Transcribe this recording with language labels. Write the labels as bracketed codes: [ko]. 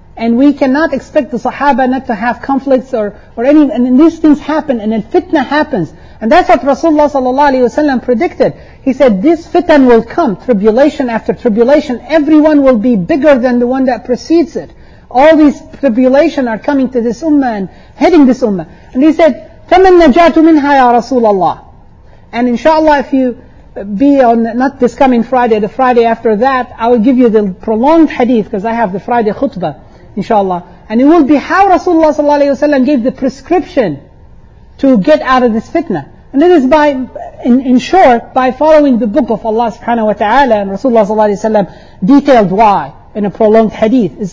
[en] And we cannot expect the Sahaba not to have conflicts or any, and then these things happen, and then fitna happens. And that's what Rasulullah sallallahu alayhi wasallam predicted. He said, this fitna will come, tribulation after tribulation. Everyone will be bigger than the one that precedes it. All these tribulations are coming to this ummah and heading this ummah. And he said, [ar] فَمَنْ نَجَاتُ مِنْهَا يَا رَسُولَ اللَّهِ. [en] And inshallah, if you be on, not this coming Friday, the Friday after that, I will give you the prolonged hadith, because I have the Friday khutbah, inshallah. And it will be how Rasulullah sallallahu alayhi wa sallam gave the prescription to get out of this fitna. And it is by, in short, by following the book of Allah subhanahu wa ta'ala, and Rasulullah sallallahu alayhi wa sallam detailed why in a prolonged hadith.